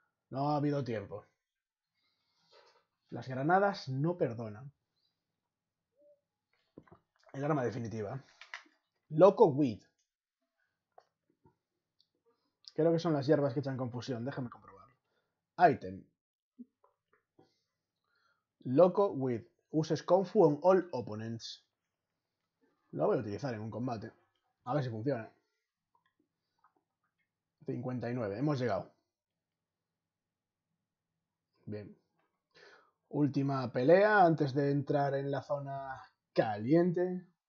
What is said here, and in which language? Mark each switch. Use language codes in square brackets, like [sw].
[es] No ha habido tiempo. Las granadas no perdonan. El arma definitiva. Loco Weed. Creo que son las hierbas que echan confusión, déjame comprobarlo. [en] Item. Loco Weed. Uses Confu on all opponents. [es] Lo voy a utilizar en un combate. A ver si funciona. 59. Hemos llegado. Bien. Última pelea antes de entrar en la zona caliente.